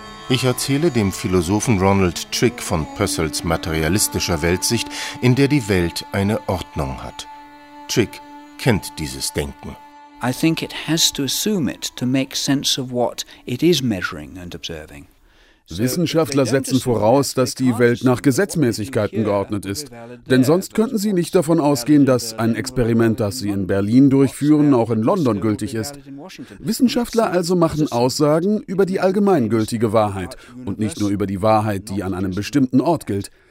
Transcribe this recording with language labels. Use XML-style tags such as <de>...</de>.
<de>Ich erzähle dem Philosophen Ronald Trick von Pössls materialistischer Weltsicht, in der die Welt eine Ordnung hat. Trick kennt dieses Denken.</de> <en>I think it has to assume it to make sense of what it is measuring and observing.</en> <de>Wissenschaftler setzen voraus, dass die Welt nach Gesetzmäßigkeiten geordnet ist. Denn sonst könnten sie nicht davon ausgehen, dass ein Experiment, das sie in Berlin durchführen, auch in London gültig ist. Wissenschaftler also machen Aussagen über die allgemeingültige Wahrheit und nicht nur über die Wahrheit, die an einem bestimmten Ort gilt.</de>